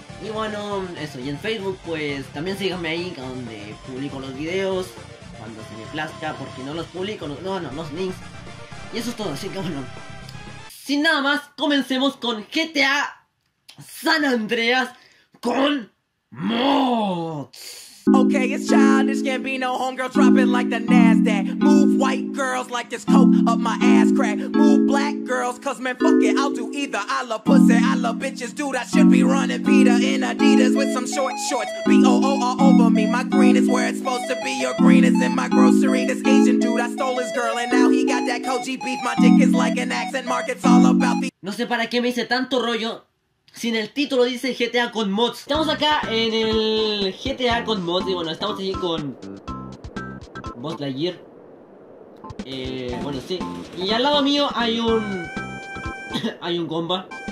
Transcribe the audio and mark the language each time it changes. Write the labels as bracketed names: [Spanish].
[Spanish] Y bueno, eso, y en Facebook pues también síganme ahí, donde publico los videos cuando se me plazca, porque no los publico, los links. Y eso es todo, así que bueno, sin nada más, comencemos con GTA San Andreas con mods. [English] Okay, it's childish, can't be no homegirl dropping like the NASDAQ. Move white girls like this coke up my ass crack. Move black girls, cause man, fuck it, I'll do either. I love pussy, I love bitches, dude, I should be running Peter in Adidas with some short shorts. B-O-O all over me, my green is where it's supposed to be. Your green is in my grocery, this Asian dude, I stole his girl. And now he got that Koji beef, my dick is like an accent mark. It's all about the... [Spanish] No sé para qué me hice tanto rollo. Sin el título dice GTA con mods. Estamos acá en el GTA con mods. Y bueno, estamos aquí con Buzz Lightyear. Bueno, sí. Y al lado mío hay un hay un gomba.